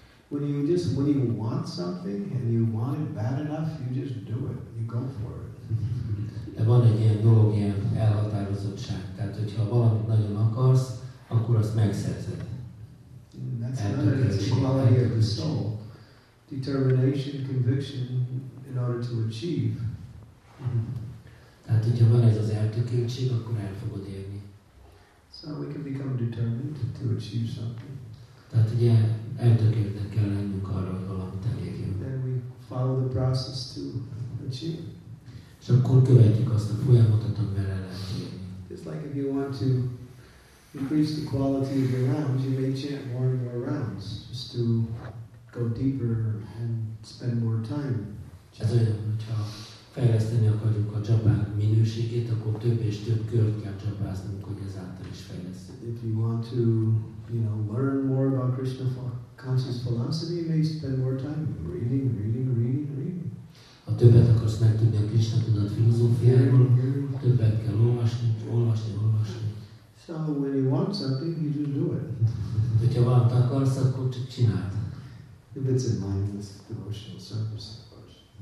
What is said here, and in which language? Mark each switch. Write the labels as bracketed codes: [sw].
[en] When you want something and you want it bad enough, you just do it. You go for it. [hu] De van egy ilyen dolog, ilyen elhatározottság. Tehát, hogyha valamit nagyon akarsz, akkor azt megszerzed. [en] That's a quality of the soul. Determination, conviction in order to achieve. [hu] Tehát, hogyha van ez az eltökéltség, akkor el fogod érni. [en] So we can become determined to achieve something. [hu] Tehát ugye eltökéltnek kell lennünk arra, hogy valamit elérjünk. [en] Then we follow the process to achieve. [hu] És akkor követjük azt a folyamatot, amivel el lehet érni. [en] Just like if you want to increase the quality of your rounds, you may chant more and more rounds just to go deeper and spend more time. [hu] Ez olyan, hogyha fejleszteni akarjuk a csapát minőségét, akkor több és több kört kell csapáznunk, hogy ezáltal is fejlesztünk. [en] If you want to, you know, learn more about Krishna conscious philosophy, you may spend more time reading, reading, reading, reading. [hu] Ha többet akarsz megtudni a Krishna tudat filozófiáról, többet kell olvasni, olvasni, olvasni. [en] So when you want something, you just do it. [hu] Hogyha valamit akarsz, akkor csak csináld. [en] If it's a mindless devotional service, of course.